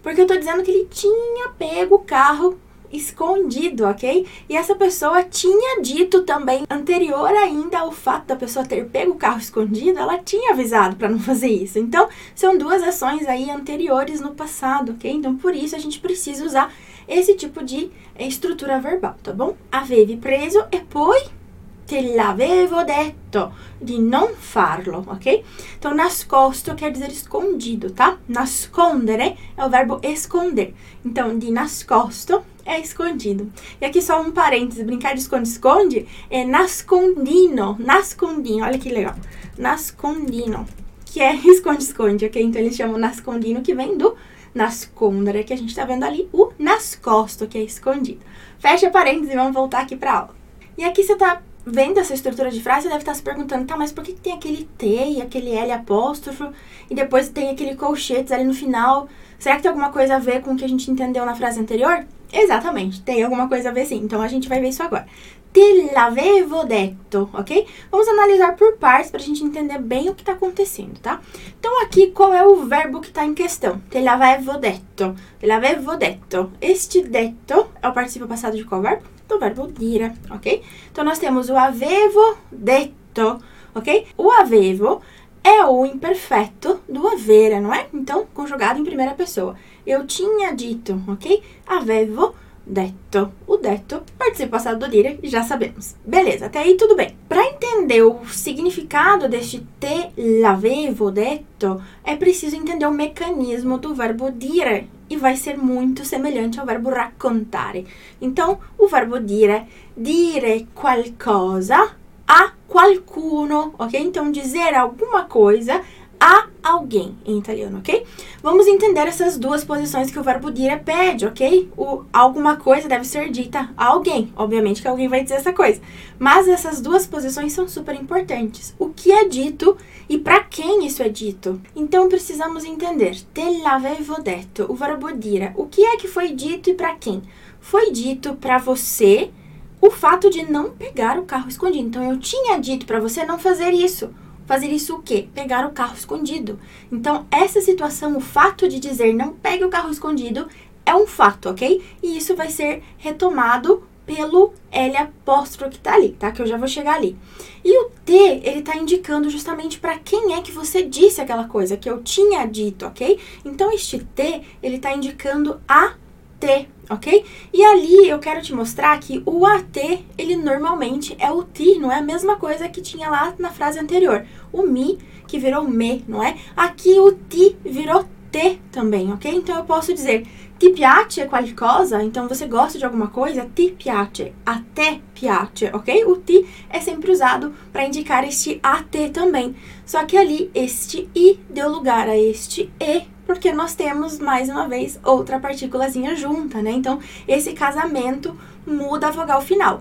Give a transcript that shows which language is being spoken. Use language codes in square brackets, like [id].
[pt] Porque eu tô dizendo que ele tinha pego o carro escondido, ok? E essa pessoa tinha dito também, anterior ainda ao fato da pessoa ter pego o carro escondido, ela tinha avisado para não fazer isso. Então, são duas ações aí anteriores no passado, ok? Então, por isso a gente precisa usar esse tipo di struttura verbal, tá bom? [it] Avevi preso e poi te l'avevo detto di non farlo, ok? [pt] Então, nascosto quer dizer escondido, tá? Nascondere é o verbo esconder. Então, de nascosto é escondido. E aqui só um parênteses, brincar de esconde-esconde é nascondino, nascondino, olha que legal. Nascondino, que é esconde-esconde, ok? Então, eles chamam nascondino, que vem do nascondere, que a gente tá vendo ali o nascosto, que é escondido. Fecha parênteses e vamos voltar aqui pra aula. E aqui você tá vendo essa estrutura de frase, você deve estar se perguntando, tá, mas por que tem aquele T e aquele L apóstrofo e depois tem aquele colchetes ali no final? Será que tem alguma coisa a ver com o que a gente entendeu na frase anterior? Exatamente, tem alguma coisa a ver sim, então a gente vai ver isso agora. [it] Te l'avevo detto, [pt] ok? Vamos analisar por partes pra gente entender bem o que tá acontecendo, tá? Então aqui, qual é o verbo que tá em questão? [it] Te l'avevo detto, te l'avevo detto. [pt] Este detto é o participio passado de qual verbo? Do verbo dire, ok? Então nós temos o avevo detto, ok? O avevo é o imperfeito do avere, não é? Então, conjugado em primeira pessoa. Eu tinha dito, ok? Avevo detto. O detto, participio passado do dire, já sabemos. Beleza, até aí tudo bem. Para entender o significado deste te l'avevo detto, é preciso entender o mecanismo do verbo dire. E vai ser muito semelhante ao verbo raccontare. Então, o verbo dire, [it] dire qualcosa a qualcuno, [pt] ok? Então, dizer alguma coisa a alguém em italiano, ok? Vamos entender essas duas posições que o verbo dire pede, ok? O alguma coisa deve ser dita a alguém, obviamente que alguém vai dizer essa coisa. Mas essas duas posições são super importantes. O que é dito e para quem isso é dito? Então precisamos entender. Te l'avevo detto, o verbo dire. O que é que foi dito e para quem? Foi dito para você o fato de não pegar o carro escondido. Então eu tinha dito para você não fazer isso. Fazer isso o quê? Pegar o carro escondido. Então, essa situação, o fato de dizer não pegue o carro escondido, é um fato, ok? E isso vai ser retomado pelo L apóstrofo que tá ali, tá? Que eu já vou chegar ali. E o T, ele tá indicando justamente para quem é que você disse aquela coisa, que eu tinha dito, ok? Então, este T, ele tá indicando a T, ok? E ali eu quero te mostrar que o AT, ele normalmente é o TI, não é a mesma coisa que tinha lá na frase anterior. O MI, que virou ME, não é? Aqui o TI virou T também, ok? Então eu posso dizer, [it] ti piace qualcosa? [pt] Então você gosta de alguma coisa? [it] Ti piace, a te piace, [pt] ok? O TI é sempre usado para indicar este AT também. Só que ali este I deu lugar a este E. Porque nós temos, mais uma vez, outra partículazinha junta, né? Então, esse casamento muda a vogal final.